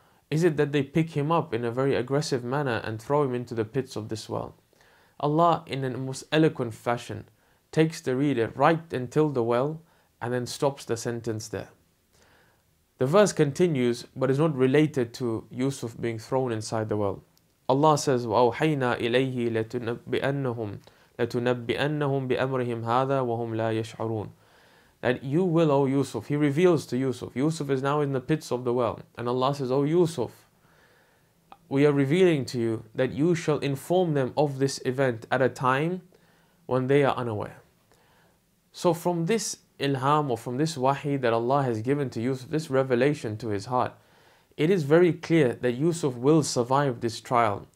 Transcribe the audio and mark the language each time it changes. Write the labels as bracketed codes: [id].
[en] Is it that they pick him up in a very aggressive manner and throw him into the pits of this well? Allah, in a most eloquent fashion, takes the reader right until the well and then stops the sentence there. The verse continues, but is not related to Yusuf being thrown inside the well. Allah says, [ar] وَأَوْحَيْنَا إِلَيْهِ لَتُنَبِّئَنَّهُمْ بِأَمْرِهِمْ هَذَا وَهُمْ لَا يَشْعُرُونَ. [en] That you will, O Yusuf. He reveals to Yusuf. Yusuf is now in the pits of the well. And Allah says, O Yusuf, we are revealing to you that you shall inform them of this event at a time when they are unaware. So from this ilham, or from this wahi that Allah has given to Yusuf, this revelation to his heart, it is very clear that Yusuf will survive this trial.